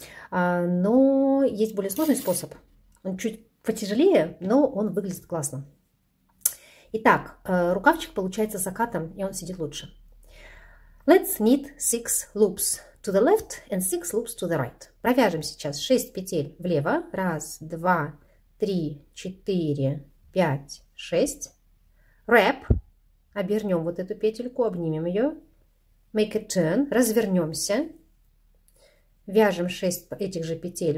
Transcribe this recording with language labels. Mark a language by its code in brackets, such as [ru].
[ru] Но есть более сложный способ. Он чуть потяжелее, но он выглядит классно. Итак, рукавчик получается закатом, и он сидит лучше. [en] Let's knit 6 loops to the left and 6 loops to the right. [ru] Провяжем сейчас 6 петель влево. 1, 2, 3, 4, 5, 6. Wrap. Обернем вот эту петельку, обнимем ее. [en] Make a turn. [ru] Развернемся. Вяжем 6 этих же петель.